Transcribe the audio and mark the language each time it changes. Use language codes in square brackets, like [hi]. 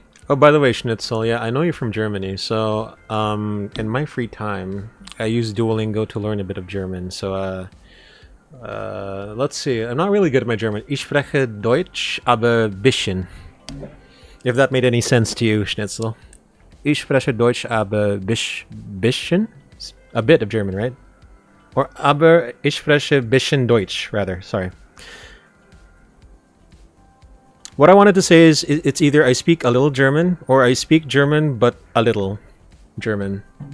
[en] Oh, by the way, Schnitzel, yeah, I know you're from Germany, so in my free time, I use Duolingo to learn a bit of German, so let's see, I'm not really good at my German. [de] Ich spreche Deutsch, aber bisschen. [en] If that made any sense to you, [de] Schnitzel. Ich spreche Deutsch, aber bisschen? [en] A bit of German, right? Or [de] aber ich spreche bisschen Deutsch, [en] rather, sorry. What I wanted to say is, it's either I speak a little German, or I speak German, but a little German.